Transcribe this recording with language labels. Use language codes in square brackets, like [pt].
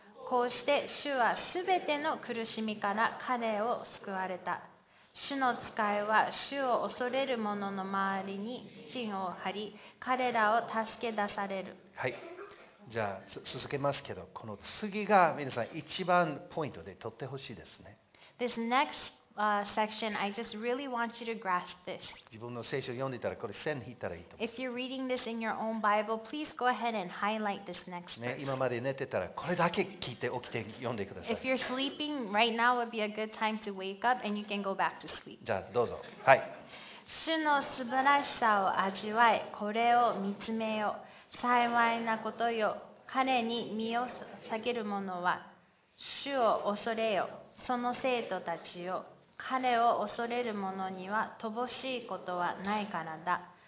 [ja] こうして主はすべての苦しみから彼を救われた。主の使いは主を恐れる者の周りに陣を張り彼らを助け出される。はい、じゃあ続けますけど、この次が皆さん一番ポイントで取ってほしいですね。 [en] This next, section, I just really want you to grasp this. [ja] 自分の聖書を読んでいたらこれ線引いたらいいと思う。 [en] If you're reading this in your own Bible, please go ahead and highlight this next verse. [ja] 今まで寝てたらこれだけ聞いて起きて読んでください。 [en] If you're sleeping, right now would be a good time to wake up and you can go back to sleep. [ja] じゃあどうぞ。はい。主の素晴らしさを味わい、これを見つめよ。幸いなことよ。彼に身を下げる者は主を恐れよ。その生徒たちよ、彼を恐れる者には乏しいことはないからだ。